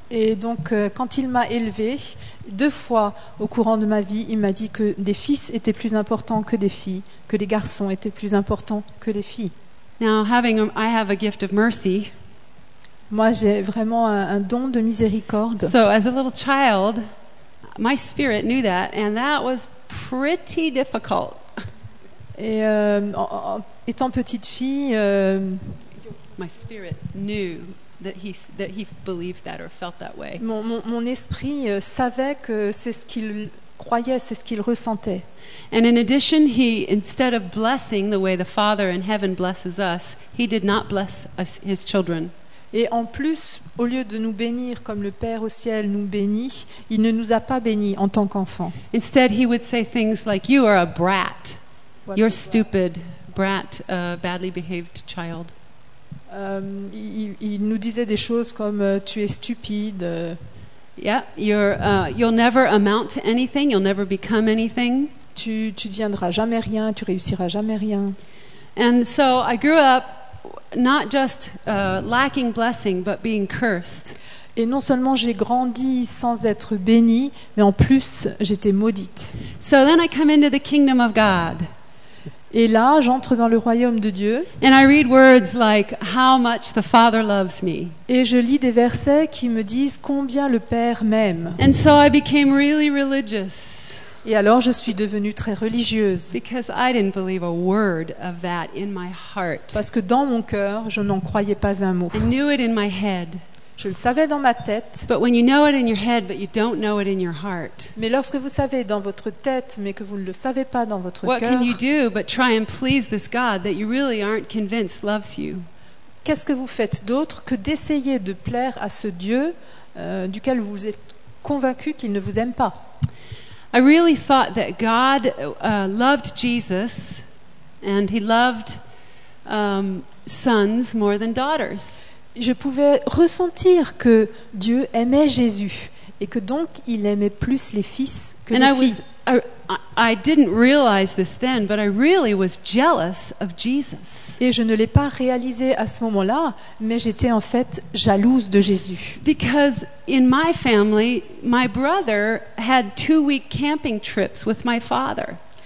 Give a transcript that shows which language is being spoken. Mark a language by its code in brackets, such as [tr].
[fr] Et donc quand il m'a élevé, deux fois au courant de ma vie, il m'a dit que des fils étaient plus importants que des filles, que les garçons étaient plus importants que les filles. [en] Now I have a gift of mercy. [fr] Moi j'ai vraiment un don de miséricorde. [en] So as a little child, My spirit knew that, and that was pretty difficult. [fr] Et étant petite fille, [en] my spirit knew that he believed that or felt that way. [fr] Mon esprit savait que c'est ce qu'il croyait, c'est ce qu'il ressentait. [en] And in addition, he, instead of blessing the way the Father in heaven blesses us, he did not bless us, his children. [fr] Et en plus, au lieu de nous bénir comme le Père au ciel nous bénit, il ne nous a pas bénis en tant qu'enfants. [en] Instead, he would say things like, "You are a brat." What's your stupid brat, badly behaved child. [fr] Il nous disait des choses comme tu es stupide. [en] Yeah, you'll never amount to anything. You'll never become anything. [fr] Tu deviendras jamais rien. Tu réussiras jamais rien. [en] And so I grew up not just lacking blessing, but being cursed. [fr] Et non seulement j'ai grandi sans être bénie, mais en plus j'étais maudite. [en] So then I come into the kingdom of God. [fr] Et là, j'entre dans le royaume de Dieu. [en] And I read words like, how much the Father loves me. [fr] Et je lis des versets qui me disent combien le Père m'aime. [en] And so I became really religious. [fr] Et alors, je suis devenue très religieuse. [en] Because I didn't believe a word of that in my heart. [fr] Parce que dans mon cœur, je n'en croyais pas un mot. [en] I knew it in my head. [fr] Je le savais dans ma tête. [en] But when you know it in your head, but you don't know it in your heart. [fr] Mais lorsque vous savez dans votre tête, mais que vous ne le savez pas dans votre cœur. [en] What can you do but try and please this God that you really aren't convinced loves you? [fr] Qu'est-ce que vous faites d'autre que d'essayer de plaire à ce Dieu duquel vous êtes convaincu qu'il ne vous aime pas? [en] I really thought that God loved Jesus and he loved sons more than daughters. [fr] Je pouvais ressentir que Dieu aimait Jésus et que donc il aimait plus les fils que les filles. [en] I didn't realize this then, but I really was jealous of Jesus. [fr] Et je ne l'ai pas réalisé à ce moment-là, mais j'étais en fait jalouse de Jésus. [en] Because in my family, my brother had 2 week camping trips with my father.